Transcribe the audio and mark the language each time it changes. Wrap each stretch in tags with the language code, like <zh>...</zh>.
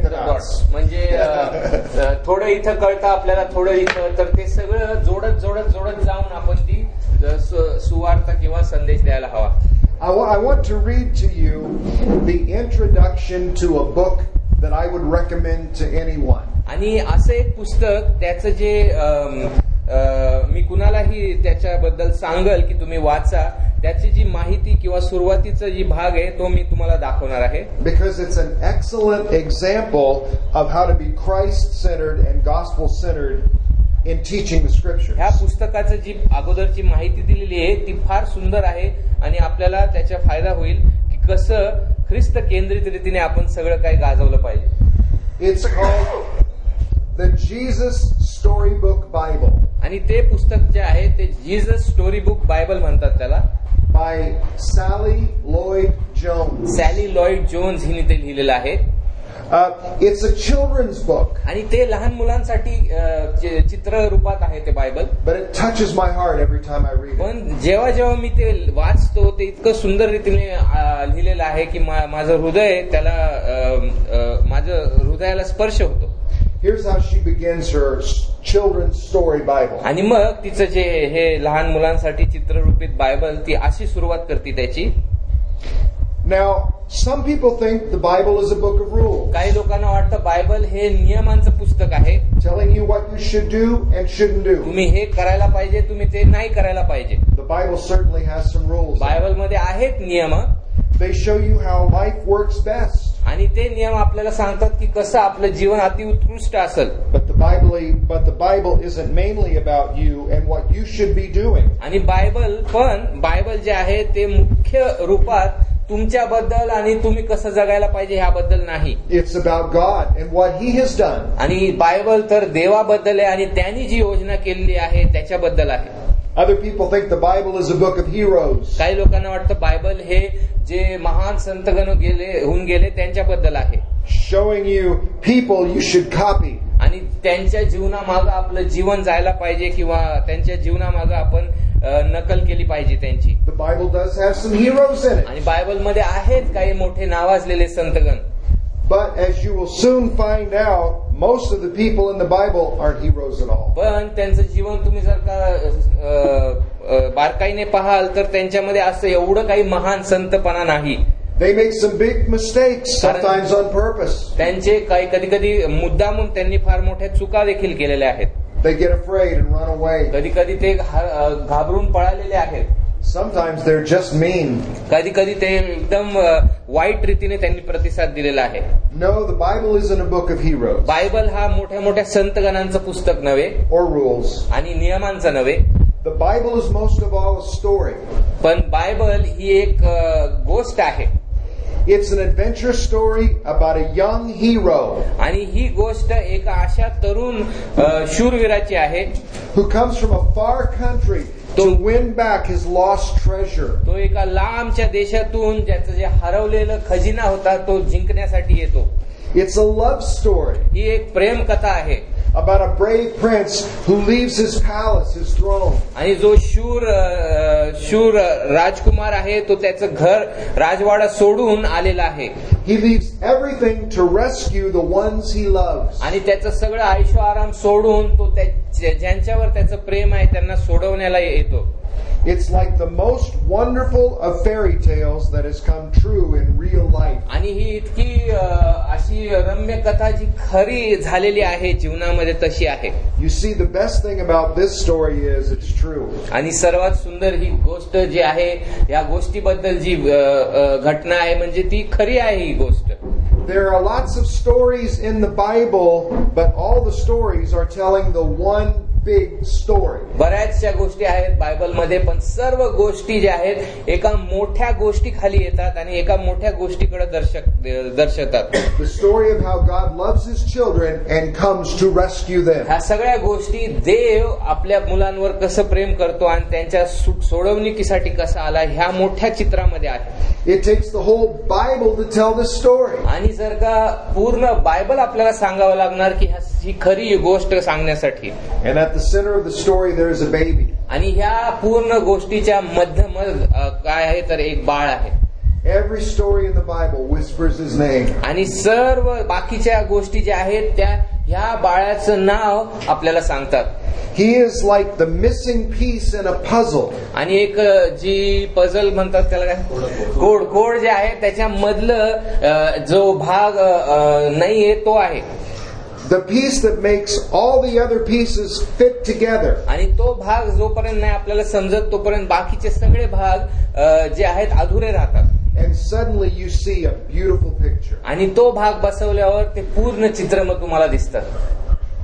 <mr>थोडं इथं कळतं आपल्याला थोडं इथं, तर ते सगळं जोडत जोडत जोडत जाऊन आपण ती सुवार्ता किंवा संदेश द्यायला हवा.</mr> <en>I want to read to you the introduction to a book that I would recommend to anyone.</en> <mr>आणि असं एक पुस्तक त्याचं जे मी कुणालाही त्याच्याबद्दल सांगेल की तुम्ही वाचा, त्याची जी माहिती किंवा सुरुवातीचा जी भाग आहे तो मी तुम्हाला दाखवणार आहे.</mr> <en>Because it's an excellent example of how to be Christ-centered and gospel-centered in teaching the scriptures.</en> <mr>या पुस्तकाचं जी अगोदरची माहिती दिलेली आहे ती फार सुंदर आहे आणि आपल्याला त्याचा फायदा होईल की कसं ख्रिस्त केंद्रित रीतीने आपण सगळं काही गाजवलं पाहिजे.</mr> <en>It's called the Jesus Storybook Bible.</en> <mr>आणि ते पुस्तक जे आहे ते जीसस स्टोरी बुक बायबल म्हणतात त्याला.</mr> <en>By Sally Lloyd Jones</en> <mr>हिने ते लिहिलेलं आहे.</mr> <en>It's a children's book.</en> <mr>आणि ते लहान मुलांसाठी चित्र रूपात आहे ते Bible.</mr> <en>But it touches my heart every time I read it.</en> <mr>पण जेव्हा जेव्हा मी ते वाचतो ते इतकं सुंदर रीतीने लिहिलेलं आहे की माझं हृदय त्याला माझं हृदयाला स्पर्श होतो.</mr> <en>Here's how she begins her children's story Bible.</en> <mr>आणि मग तिचं जे हे लहान मुलांसाठी चित्ररूपित बायबल ती अशी सुरुवात करते त्याची.</mr> <en>Now, some people think the Bible is a book of rules.</en> <mr>काही लोकांना वाटतं बायबल हे नियमांचं पुस्तक आहे.</mr> <en>Telling you what you should do and shouldn't do.</en> <mr>तुम्ही हे करायला पाहिजे तुम्ही ते नाही करायला पाहिजे.</mr> <en>The Bible certainly has some rules.</en> <mr>Bible मध्ये आहेत नियम.</mr> <en>They show you how life works best.</en> <mr>आणि ते नियम आपल्याला सांगतात की कसं आपलं जीवन अति उत्कृष्ट असेल.</mr> <en>But the Bible isn't mainly about you and what you should be doing.</en> <mr>आणि बायबल पण बायबल जे आहे ते मुख्य रूपात तुमच्याबद्दल आणि तुम्ही कसं जगायला पाहिजे ह्याबद्दल नाही.</mr> <en>It's about God and what he has done.</en> <mr>आणि बायबल तर देवाबद्दल आहे आणि त्यांनी जी योजना केलेली आहे त्याच्याबद्दल आहे.</mr> <en>Other people think the Bible is a book of heroes.</en> <mr>काही लोकांना वाटतं बायबल हे जे महान संतगण गेले होऊन गेले त्यांच्याबद्दल आहे.</mr> <en>Showing you people you should copy.</en> <mr>आणि त्यांच्या जीवनामागे आपलं जीवन जायला पाहिजे किंवा त्यांच्या जीवनामागे आपण नकल केली पाहिजे त्यांची.</mr> <en>The Bible does have some heroes in it.</en> <mr>आणि बायबल मध्ये आहेत काही मोठे नावाजलेले संतगण.</mr> <en>But as you will soon find out, most of the people in the Bible aren't heroes at all.</en> <mr>पण त्यांचं जीवन तुम्ही जर का बारकाईने पाहाल तर त्यांच्यामध्ये असं एवढं काही महान संतपणा नाही.</mr> <en>They make some big mistakes sometimes on purpose.</en> <mr>त्यांचे काही कधी कधी मुद्दामून त्यांनी फार मोठ्या चुका देखील केलेल्या आहेत.</mr> <en>They get afraid and run away.</en> <mr>कधी कधी ते घाबरून पळालेले आहेत.</mr> <en>Sometimes they're just mean.</en> <mr>कधी कधी ते एकदम वाईट रीतीने त्यांनी प्रतिसाद दिलेला आहे.</mr> <en>No, the Bible isn't a book of heroes.</en> <mr>Bible हा मोठ्या मोठ्या संतगणांचं पुस्तक नव्हे.</mr> <en>Or rules.</en> <mr>आणि नियमांचं नव्हे.</mr> <en>The Bible is most of all a story.</en> <mr>पण बायबल ही एक गोष्ट आहे.</mr> <en>It's an adventure story about a young hero.</en> <mr>आणि ही गोष्ट एका अशा तरुण शूरवीराची आहे.</mr> <en>Who comes from a far country. To win back his lost treasure.</en> <mr>तो एका लांबच्या देशातून ज्याचं जे हरवलेलं खजिना होता तो जिंकण्यासाठी येतो.</mr> <en>It's a love story.</en> <mr>ही एक प्रेम कथा आहे.</mr> <en>About a brave prince who leaves his palace, his throne.</en> <mr>आणि जो शूर राजकुमार आहे तो त्याचं घर राजवाडा सोडून आलेला आहे.</mr> <en>He leaves everything to rescue the ones he loves.</en> <mr>आणि त्याचं सगळं ऐशो आराम सोडून तो ज्यांच्यावर त्याचं प्रेम आहे त्यांना सोडवण्याला येतो.</mr> <en>It's like the most wonderful of fairy tales that has come true in real life.</en> <mr>आणि ही इतकी अशी रम्य कथा जी खरी झालेली आहे जीवनामध्ये तशी आहे.</mr> <en>You see, the best thing about this story is it's true.</en> <mr>आणि सर्वात सुंदर ही गोष्ट जी आहे या गोष्टीबद्दल जी घटना आहे म्हणजे ती खरी आहे ही गोष्ट.</mr> <en>There are lots of stories in the Bible, but all the stories are telling the one big story.</en> <mr>बऱ्याचशा गोष्टी आहेत बायबल मध्ये पण सर्व गोष्टी ज्या आहेत एका मोठ्या गोष्टी खाली येतात आणि एका मोठ्या गोष्टीकडे दर्शवतात.</mr> <en>The story of how God loves his children and comes to rescue them.</en> <mr>ह्या सगळ्या गोष्टी देव आपल्या मुलांवर कसं प्रेम करतो आणि त्यांच्या सोडवणुकीसाठी कसं आला ह्या मोठ्या चित्रामध्ये आहे.</mr> <en>It takes the whole Bible to tell the story.</en> <mr>आणि जर का पूर्ण बायबल आपल्याला सांगावं लागणार की ही खरी गोष्ट सांगण्यासाठी.</mr> <en>And at the center of the story there is a baby.</en> <mr>आणि ह्या पूर्ण गोष्टीच्या मध्यमध काय आहे तर एक बाळ आहे.</mr> <en>Every story in the Bible whispers his name.</en> <mr>आणि सर्व बाकीच्या गोष्टी ज्या आहेत त्या या बाळाचं नाव आपल्याला सांगतात.</mr> <en>He is like the missing piece in a puzzle.</en> <mr>आणि एक जी पझल म्हणतात त्याला काय कोड कोड जे आहे त्याच्या मधलं जो भाग नाहीये तो आहे.</mr> <en>The piece that makes all the other pieces fit together.</en> <mr>आणि तो भाग जोपर्यंत नाही आपल्याला समजत तोपर्यंत बाकीचे सगळे भाग जे आहेत अधुरे राहतात.</mr> <en>And suddenly you see a beautiful picture.</en> <mr>आणि तो भाग बसवल्यावर ते पूर्ण चित्र मग तुम्हाला दिसतं.</mr>